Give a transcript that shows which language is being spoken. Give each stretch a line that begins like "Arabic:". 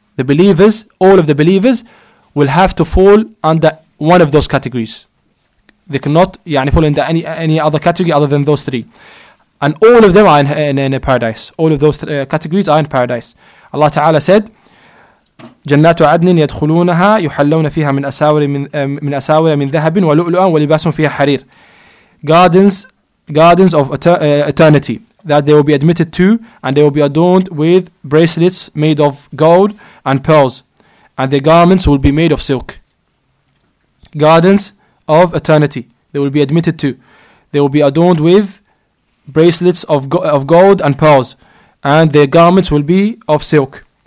English: The believers, all of the believers, will have to fall under one of those categories. They cannot fall under any other category other than those three. And all of them are in paradise. All of those categories are in paradise. Allah Ta'ala said,
Arabic: جنات عدن يدخلونها يحلون فيها من أساور من أساور من ذهب ولؤلؤا ولباس فيها حرير.
English: Gardens of eternity that they will be admitted to, and they will be adorned with bracelets made of gold and pearls, and their garments will be made of silk. Gardens of eternity they will be admitted to, they will be adorned with bracelets of gold and pearls, and their garments will be of silk.